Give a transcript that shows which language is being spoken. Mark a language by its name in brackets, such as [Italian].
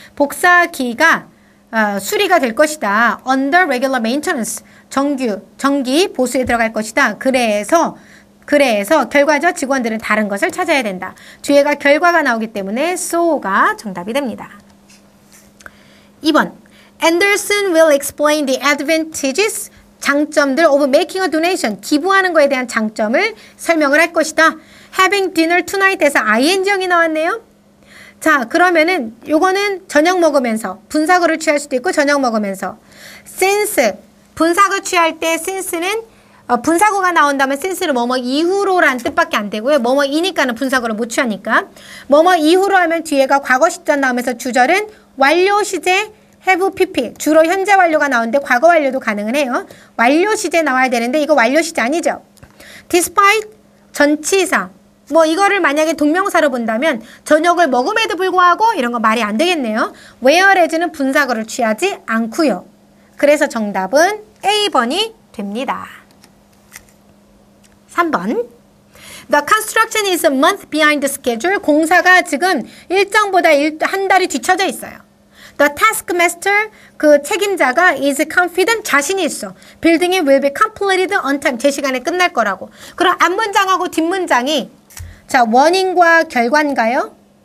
[Korean] 복사기가 수리가 될 것이다. [English] Under regular maintenance. [Korean] 정기 보수에 들어갈 것이다. 그래서 결과죠. 직원들은 다른 것을 찾아야 된다. 뒤에가 결과가 나오기 때문에 So가 정답이 됩니다. 2번. [English] Anderson will explain the advantages [Korean] 장점들 [English] of making a donation. [Korean] 기부하는 것에 대한 장점을 설명을 할 것이다. [English] Having dinner tonight [Korean] 에서 ing형이 나왔네요. 자, 그러면은 요거는 저녁 먹으면서 분사구를 취할 수도 있고 저녁 먹으면서 since 분사구 취할 때 since는 분사구가 나온다면 since를 뭐뭐 이후로란 뜻밖에 안 되고요. 뭐뭐 이니까는 분사구를 못 취하니까. 뭐뭐 이후로 하면 뒤에가 과거시점 나오면서 주절은 완료시제 have pp. 주로 현재 완료가 나오는데 과거 완료도 가능은 해요. 완료시제 나와야 되는데 이거 완료시제 아니죠. despite 전치사. 뭐 이거를 만약에 동명사로 본다면 저녁을 먹음에도 불구하고 이런 거 말이 안 되겠네요. whereas는 분사구를 취하지 않고요. 그래서 정답은 A번이 됩니다. 3번. [English] The construction is a month behind the schedule. [Korean] 공사가 지금 일정보다 한 달이 뒤쳐져 있어요. [English] The taskmaster, [Korean] 그 책임자가 [English] is confident, [Korean] 자신이 있어. [English] Building will be completed on time. [Korean] 제 시간에 끝날 거라고. 그럼 앞문장하고 뒷문장이 자 원인과 결과인가요?